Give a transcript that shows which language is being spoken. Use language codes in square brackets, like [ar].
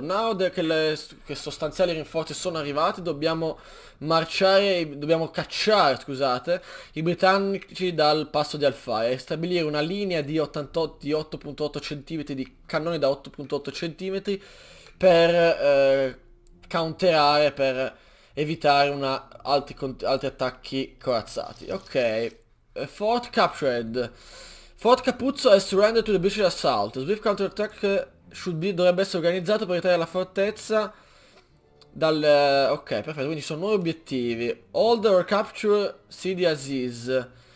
[it] Now che sostanziali rinforzi sono arrivati, dobbiamo marciare, dobbiamo cacciare, scusate, i britannici dal passo di Alfa e stabilire una linea di 88, di 8.8 cm, di cannoni da 8.8 cm. Per counterare, per evitare altri attacchi corazzati. [en] Ok. Fort captured. Fort Capuzzo has surrendered to the British assault. Swift counterattack [it] dovrebbe essere organizzato per ritirare la fortezza dal... Ok, perfetto. Quindi sono nuovi obiettivi. [en] Hold or capture Sidi Aziz.